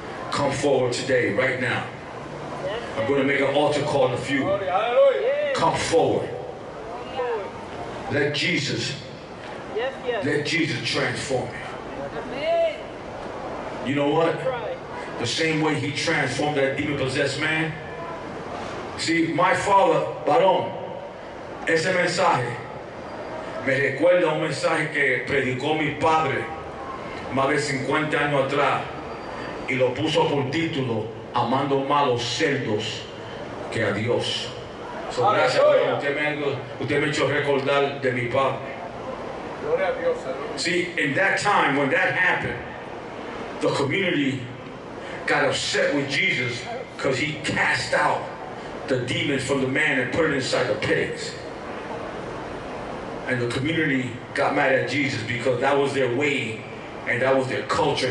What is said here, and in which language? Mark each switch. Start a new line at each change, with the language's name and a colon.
English: Come forward today, right now. I'm going to make an altar call in a few. Come forward. Let Jesus. Let Jesus transform you. You know what? The same way he transformed that demon-possessed man. See, my father,
Spanish: Barón, ese mensaje me recuerda un mensaje que predicó mi padre más de 50 años atrás y lo puso por título Amando más los cerdos que a Dios. So, gracias, a Dios. Usted me ha hecho recordar de mi padre. Gloria a Dios,
English: see, in that time, when that happened, the community got upset with Jesus because he cast out the demons from the man and put it inside the pigs. And the community got mad at Jesus because that was their way and that was their culture.